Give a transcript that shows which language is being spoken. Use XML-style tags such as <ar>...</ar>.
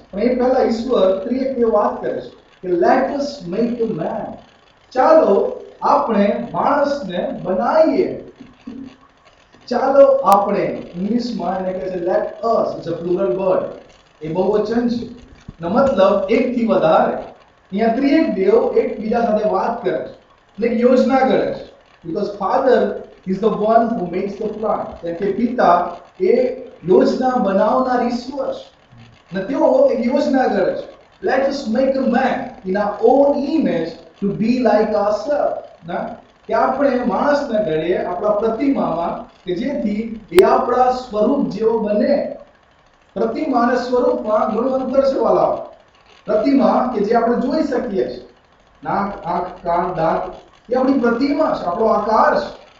<gu>પણ એ પહેલા ઈશ્વર ક્રિએટની વાત કરે છે કે</gu> <en>let us make a man,</en> <gu>ચાલો આપણે માણસને બનાવીએ. ચાલો આપણે ઇંગ્લિશમાં એને કહે છે</gu> <en>let us, it's a plural word,</en> <gu>એ બહુવચન છે, નો મતલબ એકથી વધારે. અહીંયા ત્રિએક દેવ એકબીજા સાથે વાત કરે છે અને યોજના કરે છે.</gu> <en>Because father is the one who makes the plan.</en> <gu>એટલે પિતા એ યોજના બનાવનાર ઈશ્વર છે અને તેઓ એક યોજના કરે છે.</gu> <en>Let us make a man in our own image to be like ourselves.</en> <gu>કે આપણે માણસને ઘડીએ આપણા પ્રતિમામાં કે જેથી એ આપણા સ્વરૂપ જેવો બને. પ્રતિમા અને સ્વરૂપમાં ઘણું અંતર છે વાલા. પ્રતિમા કે જે આપણે જોઈ શકીએ છીએ, નાક, આંખ, કાન, દાંત, એ આપણી પ્રતિમા છે, આપણો આકાર છે.</gu>